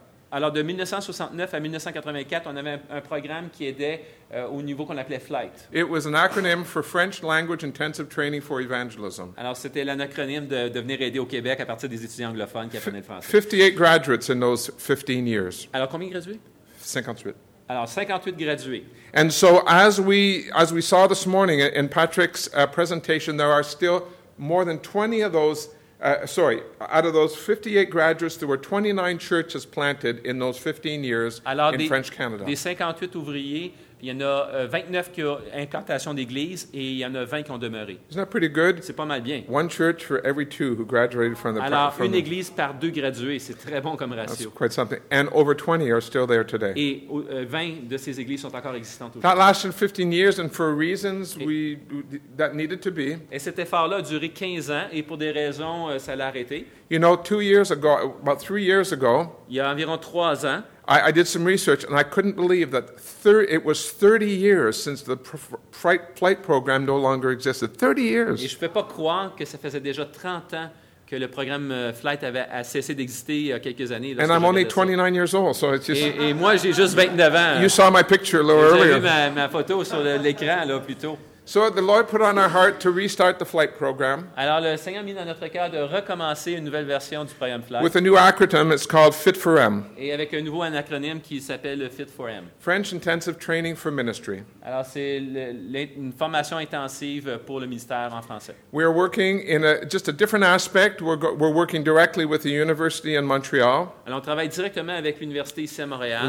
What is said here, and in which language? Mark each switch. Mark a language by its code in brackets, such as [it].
[fr] Alors de 1969 à 1984, on avait un programme qui aidait au niveau qu'on appelait Flight. [en] It was an acronym for French Language Intensive Training for Evangelism. [fr] Alors c'était l'acronyme de venir aider au Québec à partir des étudiants anglophones qui apprenaient le français. [en] 58 graduates in those 15 years. [fr] Alors combien gradués? 58. Alors 58 gradués. [en] And so as we saw this morning in Patrick's presentation, there are still more than 20 of those. Out of those 58 graduates, there were 29 churches planted in those 15 years. [fr] Alors, [en] in French Canada. [fr] Des 58 ouvriers, il y en a 29 qui ont implantation d'église et il y en a 20 qui ont demeuré. [en] Isn't that pretty good? [fr] C'est pas mal bien. [en] One church for every two who graduated from the. [fr] Alors, [en] from [fr] une église par deux gradués, c'est très bon comme ratio. [en] That's quite something. And over 20 are still there today. [fr] Et 20 de ces églises sont encore existantes aujourd'hui. [en] That lasted 15 years and for reasons that needed to be. [fr] Et cet effort-là a duré 15 ans et pour des raisons, ça l'a arrêté. [en] You know, 2 years ago, about 3 years ago. [fr] Il y a environ 3 ans. [en] I did some research, and I couldn't believe that it was 30 years since the flight program no longer existed. 30 years. [fr] Et je peux pas croire que ça faisait déjà 30 ans que le programme flight avait cessé d'exister il y a quelques années. [en] And I'm only 29 years old, so it's just. [fr] Et moi, j'ai juste 29 ans. [en] You saw my picture a little earlier. [fr] Vous avez vu ma photo sur l'écran là plus tôt. [en] So the Lord put on our heart to restart the flight program. [fr] Alors le Seigneur a mis dans notre cœur de recommencer une nouvelle version du programme flight. [en] With a new acronym, it's called Fit for M. [fr] Et avec un nouveau acronyme qui s'appelle Fit for M. [en] French Intensive Training for Ministry. [fr] Alors c'est une formation intensive pour le ministère en français. [en] We are working in just a different aspect. We're working directly with the university in Montreal. [fr] Alors on travaille directement avec l'université ici à Montréal.